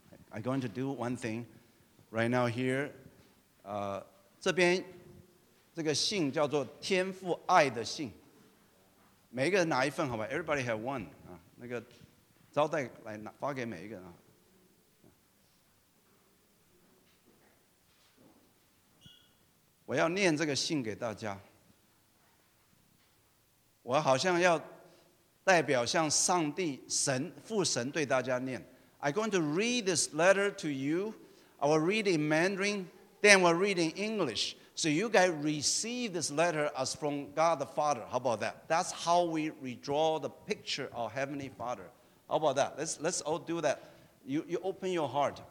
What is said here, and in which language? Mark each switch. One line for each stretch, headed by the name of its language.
English: I'm going to do one thing right now here.
Chinese: 这边这个信叫做天父爱的信。每一个人拿一份好吧?
English: Everybody have one.
Chinese: 那个招待来发给每一个人啊。我要念这个信给大家。我好像要代表向上帝神父神对大家念。
English: I'm going to read this letter to you. I will read in Mandarin, then we'll read in English. So you guys receive this letter as from God the Father. How about that? That's how we redraw the picture of Heavenly Father. How about that? Let's all do that. You open your heart.